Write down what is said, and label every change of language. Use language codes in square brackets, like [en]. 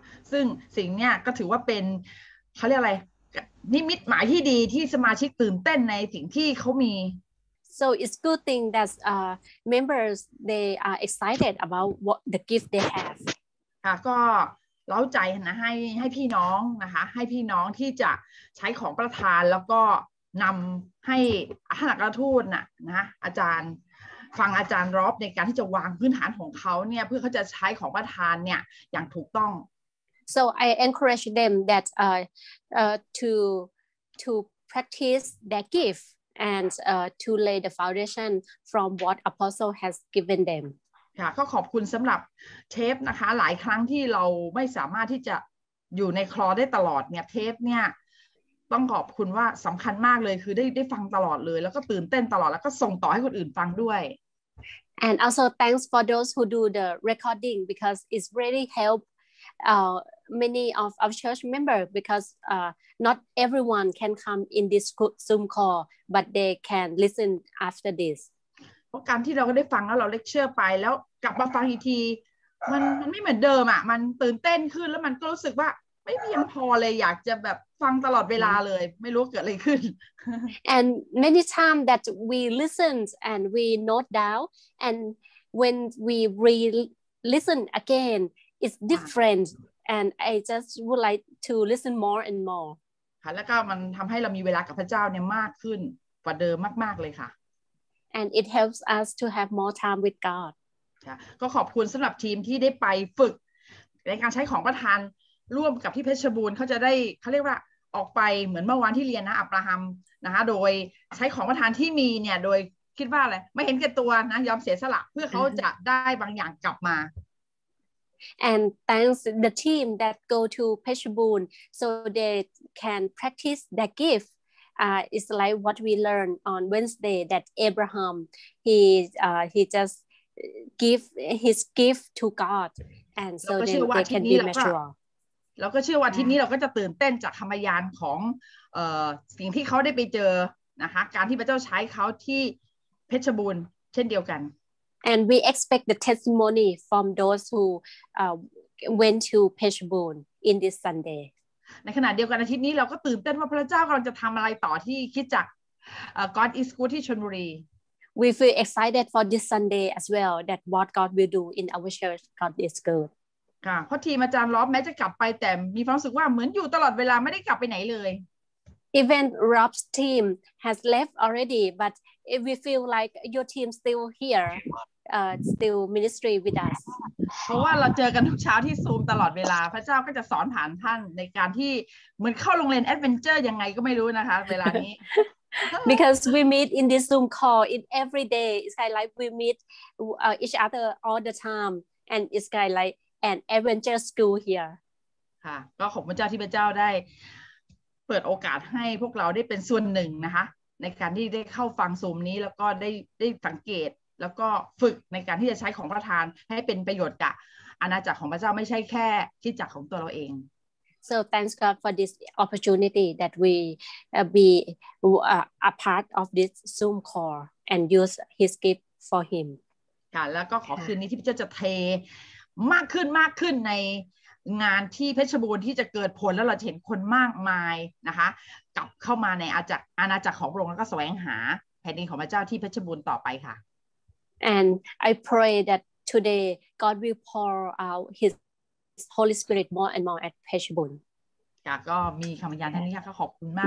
[th] ซึ่งสิ่งเนี้ยก็ถือว่าเป็นเขาเรียกอะไรนิมิตหมายที่ดีที่สมาชิกตื่นเต้นในสิ่งที่เขามี [en] so it's good thing that members they are excited about what the gift they have [th] ค่ะก็เล้าใจนะให้พี่น้องนะคะให้พี่น้องที่จะใช้ของประทานแล้วก็นำให้อัครทูตน่ะนะอาจารย์ฟังอาจารย์รอบในการที่จะวางพื้นฐานของเขาเนี่ยเพื่อเขาจะใช้ของประทานเนี่ยอย่างถูกต้อง [en] so I encourage them that to practice their gift and to lay the foundation from what apostle has given them [th] ค่ะก็ขอบคุณสำหรับเทปนะคะหลายครั้งที่เราไม่สามารถที่จะอยู่ในคลอได้ตลอดเนี่ยเทปเนี่ยต้องขอบคุณว่าสำคัญมากเลยคือได้ฟังตลอดเลยแล้วก็ตื่นเต้นตลอดแล้วก็ส่งต่อให้คนอื่นฟังด้วย [en] and also thanks for those who do the recording because it's really helpmany of our church member because not everyone can come in this Zoom call but they can listen after this [th] เพราะการที่เราก็ได้ฟังแล้วเราเลคเชอร์ไปแล้วกลับมาฟังอีกทีมันไม่เหมือนเดิมอ่ะมันตื่นเต้นขึ้นแล้วมันก็รู้สึกว่าไม่เพียงพอเลยอยากจะแบบฟังตลอดเวลาเลยไม่รู้เกิดอะไรขึ้น [en] and many time that we listen and we note down and when we re listen againIt's different, and I just would like to listen more and more. [th] ค่ะแล้วก็มันทำให้เรามีเวลากับพระเจ้าเนี่ยมากขึ้นกว่าเดิมมากๆเลยค่ะ [en] And it helps us to have more time with God. [th] ค่ะก็ขอบคุณสำหรับทีมที่ได้ไปฝึกในการใช้ของประทานร่วมกับที่เพชรบูรณ์เขาจะได้เขาเรียกว่าออกไปเหมือนเมื่อวานที่เรียนนะอับราฮัมนะคะโดยใช้ของประทานที่มีเนี่ยโดยคิดว่าอะไรไม่เห็นแก่ตัวนะยอมเสียสละเพื่อเขาจะได้บางอย่างกลับมา [en] And thanks the team that go to Petchaboom so they can practice their gift. It's like what we learned on Wednesday that Abraham, he just give his gift to God, and so they can be mature. [th] แล้วก็เชื่อว่าที่นี้เราก็จะตื่นเต้นจากคำพยานของสิ่งที่เขาได้ไปเจอนะคะการที่พระเจ้าใช้เขาที่เพชรบูรณ์เช่นเดียวกัน [en] And we expect the testimony from those who went to Petchaboom in this Sunday. [th] ในขณะเดียวกันอาทิตย์นี้เราก็ตื่นเต้นว่าพระเจ้ากำลังจะทำอะไรต่อที่คิดจักร [en] God is good [th] ที่ชลบุรี [en] We feel excited for this Sunday as well that what God will do in our church God is good. [th] ค่ะเพราะทีมอาจารย์ล็อบแม้จะกลับไปแต่มีความรู้สึกว่าเหมือนอยู่ตลอดเวลาไม่ได้กลับไปไหนเลย [en] even Rob's team has left already, but we feel like your team still here, still ministry with us. [th] เพราะว่าเราเจอกันทุกเช้าที่ซูมตลอดเวลาพระเจ้าก็จะสอนผ่านท่านในการที่เหมือนเข้าโรงเรียนแอดเวนเจอร์ยังไงก็ไม่รู้นะคะเวลานี้ [en] Because we meet in this Zoom call in every day, it's kind of like we meet each other all the time, and it's kind of like an adventure school here. [th] ค่ะก็ขอบพระเจ้าที่พระเจ้าได้เปิดโอกาสให้พวกเราได้เป็นส่วนหนึ่งนะคะในการที่ได้เข้าฟังซูมนี้แล้วก็ได้สังเกตแล้วก็ฝึกในการที่จะใช้ของประทานให้เป็นประโยชน์กับอาณาจักรของพระเจ้าไม่ใช่แค่ที่จักรของตัวเราเอง [en] So thanks God for this opportunity that we be a part of this Zoom call and use His gift for Him [th] ค่ะแล้วก็ขอคืนนี้ที่พระเจ้าจะเทมากขึ้นมากขึ้นในงานที่เพชรบูรณ์ที่จะเกิดผลแล้วเราเห็นคนมากมายนะคะกลับเข้ามาในอาณาจักรของพระองค์แล้วก็แสวงหาแผ่นดินของพระเจ้าที่เพชรบูรณ์ต่อไปค่ะ [en] And I pray that today God will pour out His Holy Spirit more and more at Pechi Bun. [th] ค่ะก็มีคำบรรยายท่านนี้ค่ะขอบคุณมาก